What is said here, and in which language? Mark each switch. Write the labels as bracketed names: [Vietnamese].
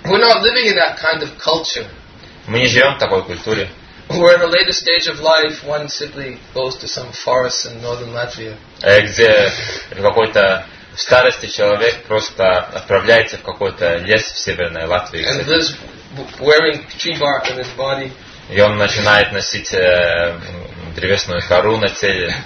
[English] We're not living in that kind of culture. [Russian] Мы не живем в такой культуре. [English] Or in a later stage of life, one simply goes to some forest in northern Latvia. [Russian] Где в какой-то старости человек просто отправляется в какой-то лес в северной Латвии. [English] And lives wearing tree bark on his body. [Russian] И он начинает носить древесную кору на теле.